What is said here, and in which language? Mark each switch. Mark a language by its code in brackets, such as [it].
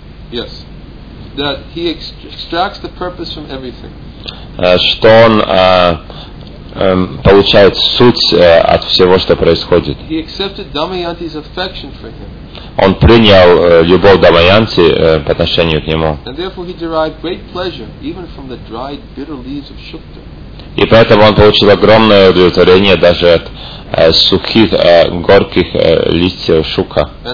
[en] Yes. That he extracts the purpose from everything. [ru] Что он получает суть от всего, что происходит. [en] He accepted Дамаянти's affection for him. [ru] Он принял любовь Дамаянти по отношению к нему. [en] And therefore he derived great pleasure even from the dried bitter leaves of Shukta. [ru] И поэтому он получил огромное удовлетворение даже от сухих, горьких листьев шука.